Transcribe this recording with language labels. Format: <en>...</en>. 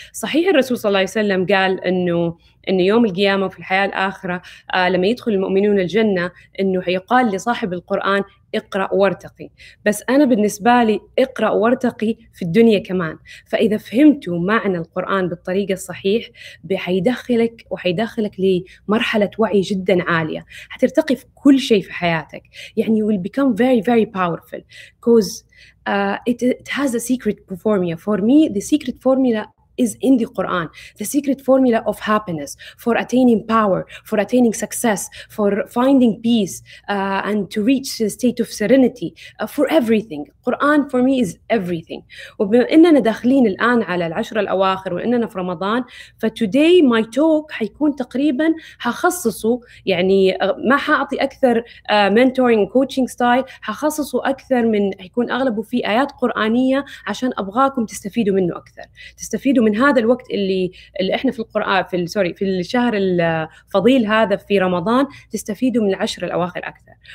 <ar>صحيح الرسول صلى الله عليه وسلم قال إنه يوم القيامة وفي الحياة الآخرة لما يدخل المؤمنون الجنة إنه حيقال لصاحب القرآن اقرأ وارتقي، بس أنا بالنسبة لي اقرأ وارتقي في الدنيا كمان. فإذا فهمت معنى القرآن بالطريقة الصحيح حيدخلك وحيدخلك لمرحلة وعي جدا عالية، حترتقي في كل شيء في حياتك.</ar> <en>يعني you will become very very powerful because it has a secret formula. For me the secret formula is in the Quran. The secret formula of happiness, for attaining power, for attaining success, for finding peace, and to reach the state of serenity, for everything. Quran for me is everything.</en> <ar>وبما أننا داخلين الآن على العشر الأواخر وأننا في رمضان, ف today my talk حيكون تقريباً هخصصه, يعني ما حأعطي أكثر mentoring coaching style, هخصصه أكثر من, هيكون أغلبه في آيات قرآنية عشان أبغاكم تستفيدوا منه أكثر, تستفيدوا من هذا الوقت اللي احنا في القرآن في سوري في الشهر الفضيل هذا في رمضان, تستفيدوا من العشر الأواخر أكثر.</ar>